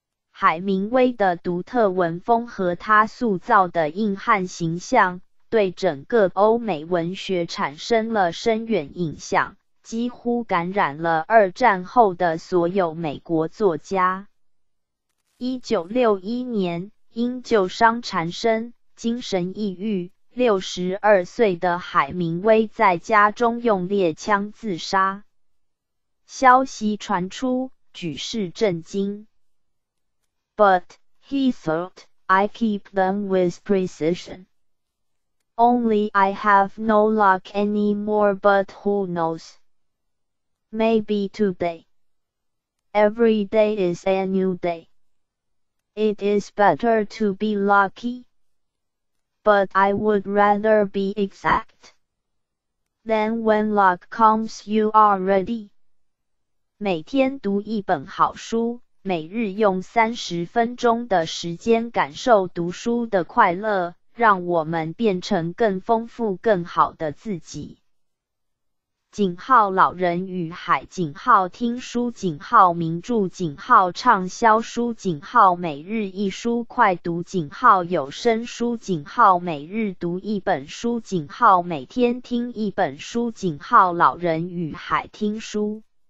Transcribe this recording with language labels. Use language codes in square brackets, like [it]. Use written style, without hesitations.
[zh] 海明威的独特文风和他塑造的硬汉形象，对整个欧美文学产生了深远影响，几乎感染了二战后的所有美国作家。 1961年，因旧伤缠身，精神抑郁，62岁的海明威在家中用猎枪自杀。消息传出，举世震惊。 [en] But, he thought, I keep them with precision. Only I have no luck anymore, but who knows? Maybe today. Every day is a new day. It is better to be lucky. But I would rather be exact. Then when luck comes, you are ready. [zh] 每天读一本好书，每日用30分钟的时间感受读书的快乐，让我们变成更丰富更好的自己。井号老人与海，井号听书，井号名著，井号畅销书，井号每日一书快读，井号有声书，井号每日读一本书，井号每天听一本书，井号老人与海听书。